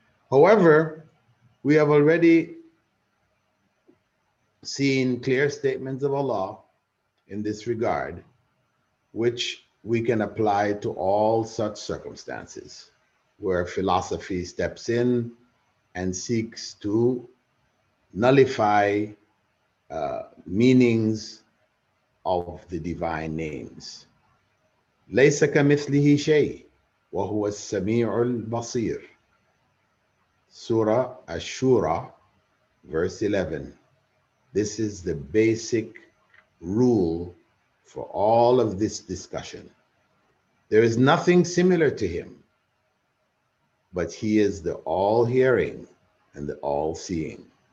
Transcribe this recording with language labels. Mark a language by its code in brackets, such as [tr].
[en] However, we have already seen clear statements of Allah in this regard, which we can apply to all such circumstances where philosophy steps in and seeks to nullify meanings of the divine names. [ar] ليس كمثله شيء وهو السميع البصير. [en] Surah Ash-Shura, verse 11. This is the basic rule for all of this discussion. There is nothing similar to him, but he is the all-hearing and the all-seeing.